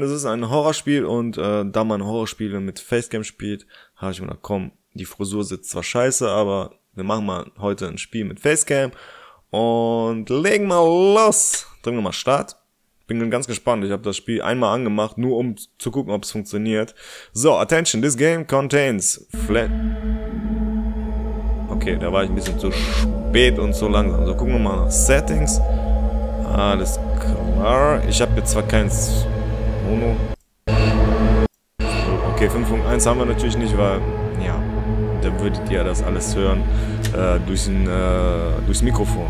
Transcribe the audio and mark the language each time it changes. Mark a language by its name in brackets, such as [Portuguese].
[German] Das ist ein Horrorspiel und da man Horrorspiele mit Facecam spielt, habe ich mir gedacht, komm, die Frisur sitzt zwar scheiße, aber wir machen mal heute ein Spiel mit Facecam und legen mal los. Drücken wir mal Start. Bin ganz gespannt, ich habe das Spiel einmal angemacht, nur um zu gucken, ob es funktioniert. [English] So, attention, this game contains flat... [German] Okay, da war ich ein bisschen zu spät und zu langsam. So, gucken wir mal nach Settings. Alles klar. Ich habe jetzt zwar keins Mono. Okay, 5.1 haben wir natürlich nicht, weil, ja, dann würdet ihr das alles hören durchs Mikrofon.